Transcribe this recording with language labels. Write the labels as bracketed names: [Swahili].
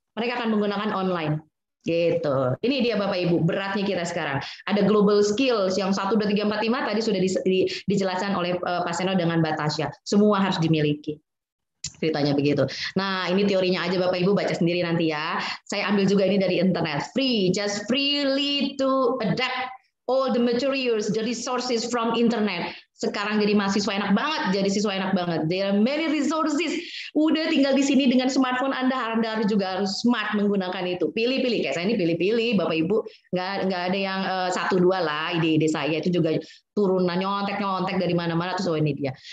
[Indonesian] Mereka akan menggunakan online. Gitu. Ini dia Bapak Ibu, beratnya kita sekarang. Ada global skills yang 1 2 3 4 5 tadi sudah dijelaskan oleh Pak Seno dengan Batasya. Semua harus dimiliki. Ceritanya begitu. Nah, ini teorinya aja Bapak Ibu baca sendiri nanti ya. Saya ambil juga ini dari internet. [English] Free, just freely to adapt all the materials, the resources from internet. [Indonesian] Sekarang jadi mahasiswa enak banget, jadi siswa enak banget. [English] There are many resources. [Indonesian] Udah tinggal di sini dengan smartphone Anda, Anda harus juga harus smart menggunakan itu. Pilih-pilih, kayak saya ini pilih-pilih, Bapak Ibu. Nggak ada yang satu dua lah ide-ide saya. Itu juga turunan nyontek-nyontek dari mana-mana, terus oh ini dia.